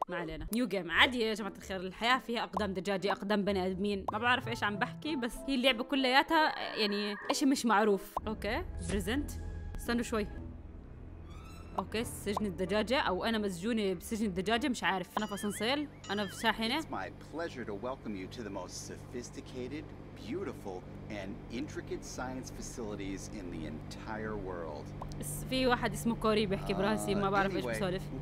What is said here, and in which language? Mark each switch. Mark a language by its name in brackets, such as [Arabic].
[Arabic] ما علينا، نيو جيم عادي يا جماعه الخير، الحياه فيها اقدام دجاجه اقدام بني ادمين، ما بعرف ايش عم بحكي، بس هي اللعبه كلياتها يعني ايش مش معروف. اوكي بريزنت، استنوا شوي. اوكي سجن الدجاجة او انا مسجونة بسجن الدجاجة، مش عارف. انا في اسانسير، انا في شاحنة. [English] It's my pleasure to welcome you to the most sophisticated, beautiful and intricate science facilities in the entire world. [Arabic] في واحد اسمه كوري بيحكي براسي، ما بعرف ايش بسولف.